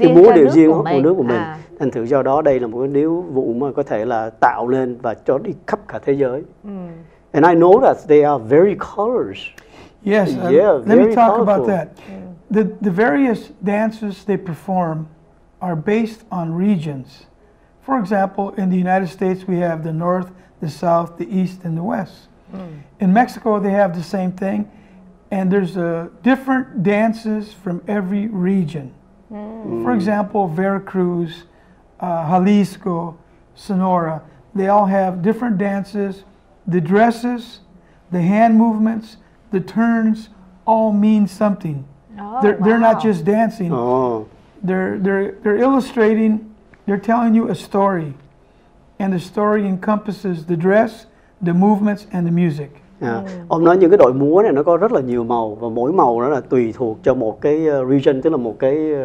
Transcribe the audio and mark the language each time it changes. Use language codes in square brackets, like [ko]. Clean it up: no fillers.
[vi] cái múa điệu riêng của nước mình. Thành thử do đó đây là một cái điều vụ mà có thể là tạo lên và cho đi khắp cả thế giới. [en] And I know that they are very colors. Yes, let me talk colorful. About that. The various dances they perform are based on regions. For example, in the United States, we have the North, the South, the East, and the West. In Mexico, they have the same thing. And there's different dances from every region. For example, Veracruz, Jalisco, Sonora, they all have different dances. The dresses, the hand movements, the turns all mean something. They're not just dancing. They're illustrating, they're telling you a story. And the story encompasses the dress, the movements, and the music. [vi] Ông nói những cái đội múa này nó có rất là nhiều màu, và mỗi màu nó là tùy thuộc cho một cái region, tức là một cái